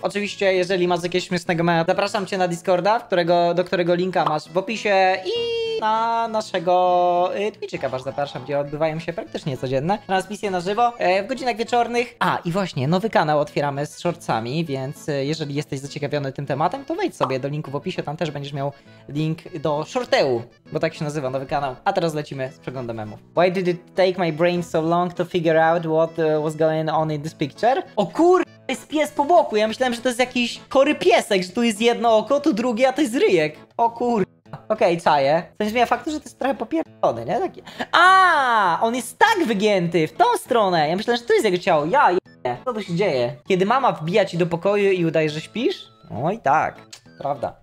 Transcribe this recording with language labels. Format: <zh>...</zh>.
<pl>Oczywiście, jeżeli masz jakieś śmiesznego mema, zapraszam cię na Discorda, do którego linka masz w opisie i na naszego Twitchika, was zapraszam, gdzie odbywają się praktycznie codzienne transmisje na żywo w godzinach wieczornych. A, i właśnie, nowy kanał otwieramy z shortsami, więc jeżeli jesteś zaciekawiony tym tematem, to wejdź sobie do linku w opisie, tam też będziesz miał link do shorteu, bo tak się nazywa nowy kanał. A teraz lecimy z przeglądem memów.</pl> <en>Why did it take my brain so long to figure out what was going on in this picture?</en> <pl>O kur... jest pies po boku, ja myślałem, że to jest jakiś chory piesek, że tu jest jedno oko, tu drugie, a to jest ryjek. O kur... Okej, czaję. W sensie miał faktu, że to jest trochę popierdolony, nie? Taki... A, on jest tak wygięty, w tą stronę! Ja myślałem, że to jest jego ciało, ja je... Co to się dzieje? Kiedy mama wbija ci do pokoju i udaje, że śpisz? Oj, tak. Prawda.</pl>